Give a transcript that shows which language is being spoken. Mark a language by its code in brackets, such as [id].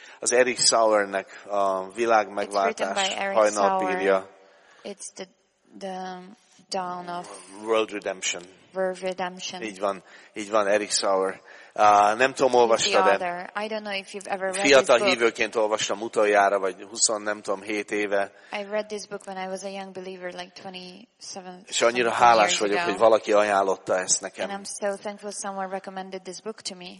[hu] Az Erich Sauernek a világ megváltás hajnalpírja. [en] It's the dawn of World Redemption. World Redemption. [hu] Így van, Erich Sauer. Nem tudom, olvastad-e. [en] I don't know if you've ever read [hu] fiatal hívőként olvastam utoljára, vagy 27 éve. [en] I read this book when I was a young believer, like 27. [hu] És annyira hálás vagyok, hogy valaki ajánlotta ezt nekem. [en] And I'm so thankful someone recommended this book to me.